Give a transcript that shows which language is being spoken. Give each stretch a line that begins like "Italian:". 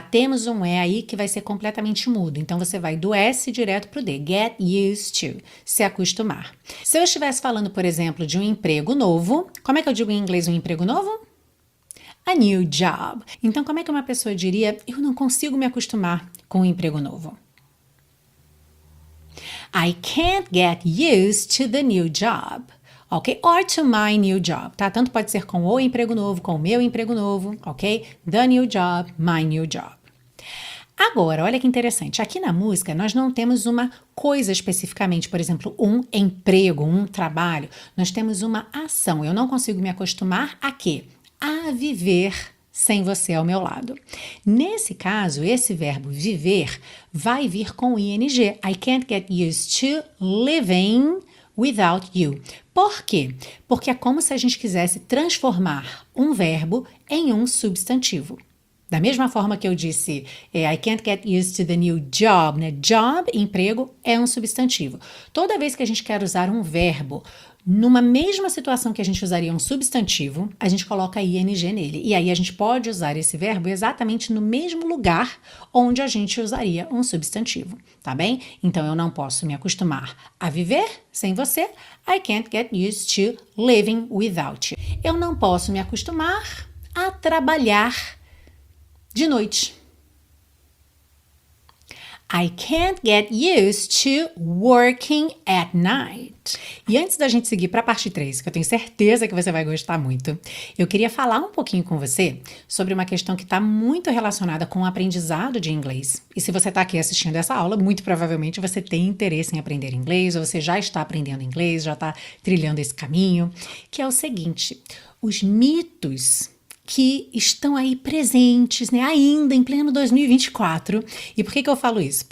Portuguese: Temos um E aí que vai ser completamente mudo, então você vai do S direto pro D,
English: get used to,
Portuguese: se acostumar. Se eu estivesse falando, por exemplo, de um emprego novo, como é que eu digo em inglês um emprego novo?
English: A new job.
Portuguese: Então, como é que uma pessoa diria, eu não consigo me acostumar com um emprego novo?
English: I can't get used to the new job, ok? Or to my new job, tá?
Portuguese: Tanto pode ser com o emprego novo, com o meu emprego novo, ok?
English: The new job, my new job.
Portuguese: Agora, olha que interessante, aqui na música nós não temos uma coisa especificamente, por exemplo, um emprego, um trabalho, nós temos uma ação, eu não consigo me acostumar a quê? A viver sem você ao meu lado. Nesse caso, esse verbo viver vai vir com ing.
English: I can't get used to living without you.
Portuguese: Por quê? Porque é como se a gente quisesse transformar um verbo em um substantivo. Da mesma forma que eu disse
English: I can't get used to the new job,
Portuguese: né? Job, emprego, é um substantivo. Toda vez que a gente quer usar um verbo numa mesma situação que a gente usaria um substantivo, a gente coloca ing nele. E aí a gente pode usar esse verbo exatamente no mesmo lugar onde a gente usaria um substantivo, tá bem? Então, eu não posso me acostumar a viver sem você.
English: I can't get used to living without you.
Portuguese: Eu não posso me acostumar a trabalhar de noite.
English: I can't get used to working at night.
Portuguese: E antes da gente seguir para a parte 3, que eu tenho certeza que você vai gostar muito, eu queria falar um pouquinho com você sobre uma questão que está muito relacionada com o aprendizado de inglês. E se você está aqui assistindo essa aula, muito provavelmente você tem interesse em aprender inglês, ou você já está aprendendo inglês, já está trilhando esse caminho, que é o seguinte: os mitos que estão aí presentes, né, ainda em pleno 2024. E por que que eu falo isso?